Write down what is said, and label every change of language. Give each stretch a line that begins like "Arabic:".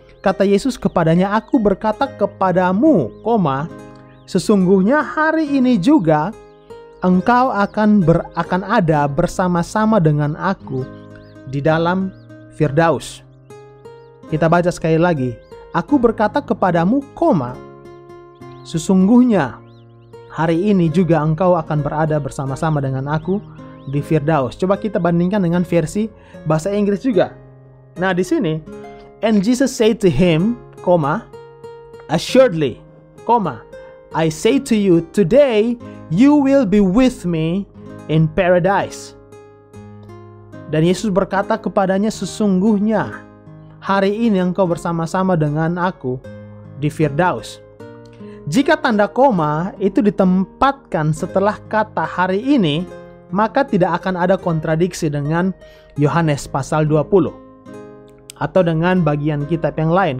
Indonesian: Kata Yesus kepadanya, aku berkata kepadamu, sesungguhnya hari ini juga engkau akan ada bersama-sama dengan aku di dalam Firdaus. Kita baca sekali lagi. Aku berkata kepadamu, sesungguhnya hari ini juga engkau akan berada bersama-sama dengan aku di Firdaus. Coba kita bandingkan dengan versi bahasa Inggris juga. Nah, di sini,
English: and Jesus said to him, assuredly, I say to you, today you will be with me in paradise.
Indonesian: Dan Yesus berkata kepadanya, sesungguhnya hari ini engkau bersama-sama dengan aku di Firdaus. Jika tanda koma itu ditempatkan setelah kata hari ini, maka tidak akan ada kontradiksi dengan Yohanes pasal 20 atau dengan bagian kitab yang lain.